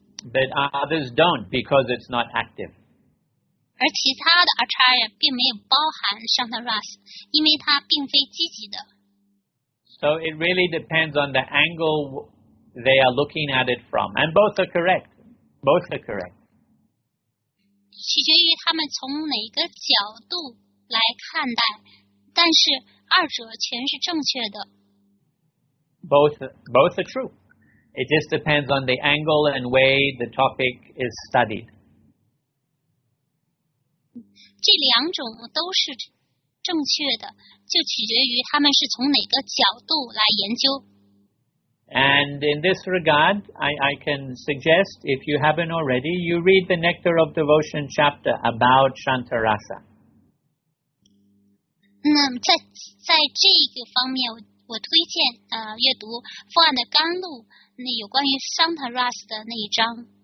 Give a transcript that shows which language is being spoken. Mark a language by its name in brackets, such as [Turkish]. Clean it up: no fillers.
[English] But others don't because it's not active. [Chinese] 而其他的 Acharya 并没有包含 Shanta Rasa, 因为它并非积极的。 [English] So it really depends on the angle they are looking at it from, and both are correct. Both are correct. [Chinese] 取决于他们从哪个角度来看待，但是二者全是正确的。 [English] Both are true. It just depends on the angle and way the topic is studied. [Chinese] 这两种都是正确的，就取决于他们是从哪个角度来研究。 [English] And in this regard, I can suggest, if you haven't already, you read the Nectar of Devotion chapter about Shantarasa. [Chinese] 那在这个方面，我推荐阅读《父爱的甘露》那有关于 Shantarasa 的那一章。